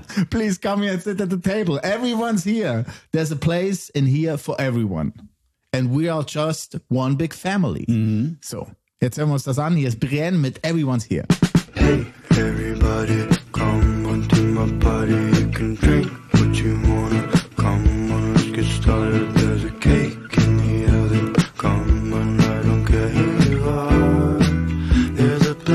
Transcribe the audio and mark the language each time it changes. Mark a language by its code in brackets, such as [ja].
[en] Please come here and sit at the table. Everyone's here. There's a place in here for everyone. And we are just one big family. Mm-hmm. [de] So, jetzt hören wir uns das an. Hier ist Brienne mit Everyone's Here. [en] Hey, everybody, come on to my party. You can drink what you wanna. Come on, let's get started. There's a cake in the oven. Come on, I don't care who you are. There's a